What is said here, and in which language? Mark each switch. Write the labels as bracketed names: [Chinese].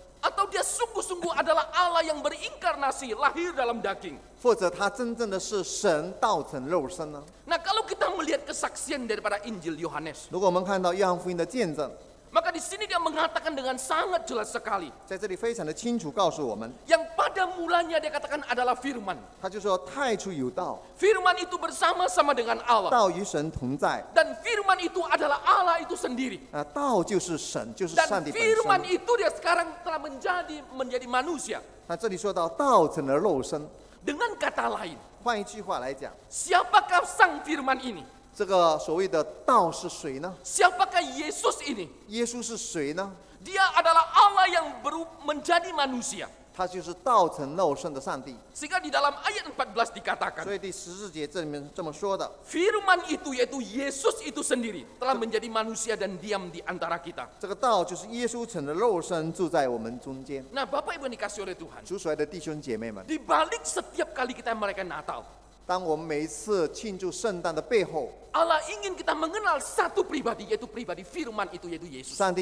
[Indonesian] Atau dia sungguh-sungguh adalah Allah yang berinkarnasi lahir dalam daging. [Chinese] 或者他真正的是神道成肉身呢？ [Indonesian] Nah, kalau kita melihat kesaksian daripada Injil Yohanes, [Chinese] 如果我们看到约翰福音的见证， [Indonesian] maka di sini dia mengatakan dengan sangat jelas sekali. [Chinese] 在这里非常的清楚告诉我们， [Indonesian] yang pada mulanya dia katakan adalah Firman. [Chinese] 他就说太初有道。 [Indonesian] Firman itu bersama-sama dengan Allah. [Chinese] 道与神同在。 [Indonesian] Dan Firman itu adalah Allah itu sendiri. [Chinese] 道就是神，就是上帝本身。 [Indonesian] Dan Firman itu dia sekarang telah menjadi manusia. [Chinese] 那这里说到道成了肉身。 [Indonesian] Dengan kata lain， [Chinese] 换一句话来讲， [Indonesian] siapakah sang Firman ini？ [Chinese] 这个所谓的道是谁呢？ [Indonesian] Siapakah Yesus ini？ [Chinese] 耶稣是谁呢？ [Indonesian] Dia adalah Allah yang menjadi manusia. [Chinese] 他就是道成肉身的上帝。 [Indonesian] Sehingga di dalam ayat 14 dikatakan， [Chinese] 所以第十四节这里面这么说的， [Indonesian] Firman itu yaitu Yesus itu sendiri telah menjadi manusia dan diam di antara kita. [Chinese] 这个道就是耶稣成了肉身住在我们中间。 [Indonesian] Nah, Bapak Ibu dikasih oleh Tuhan， [Chinese] 主所爱的弟兄姐妹们， [Indonesian] di balik setiap kali kita merayakan Natal， [Chinese] 当我们每一次庆祝圣诞的背后， [Indonesian] Allah ingin kita mengenal satu pribadi yaitu pribadi Firman itu yaitu Yesus.